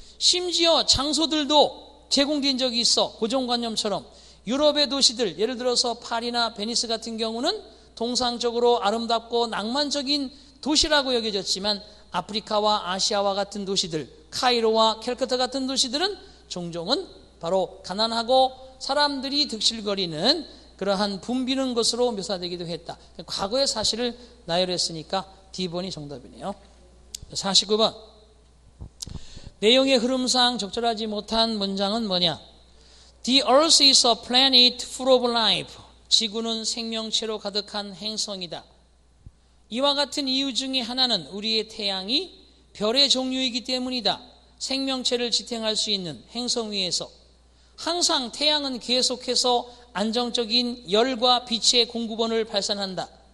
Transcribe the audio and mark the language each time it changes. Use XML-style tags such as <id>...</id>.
<ko>심지어 장소들도 제공된 적이 있어. 고정관념처럼 유럽의 도시들 예를 들어서 파리나 베니스 같은 경우는 통상적으로 아름답고 낭만적인 도시라고 여겨졌지만 아프리카와 아시아와 같은 도시들, 카이로와 캘커터 같은 도시들은 종종은 바로 가난하고 사람들이 득실거리는 그러한 붐비는 것으로 묘사되기도 했다. 과거의 사실을 나열했으니까 D번이 정답이네요. 49번. 내용의 흐름상 적절하지 못한 문장은 뭐냐?</ko> <en>The earth is a planet full of life.</en> <ko>지구는 생명체로 가득한 행성이다. 이와 같은 이유 중에 하나는 우리의 태양이 별의 종류이기 때문이다. 생명체를 지탱할 수 있는 행성 위에서 항상 태양은 계속해서 안정적인 열과 빛의 공급원을 발산한다.</ko>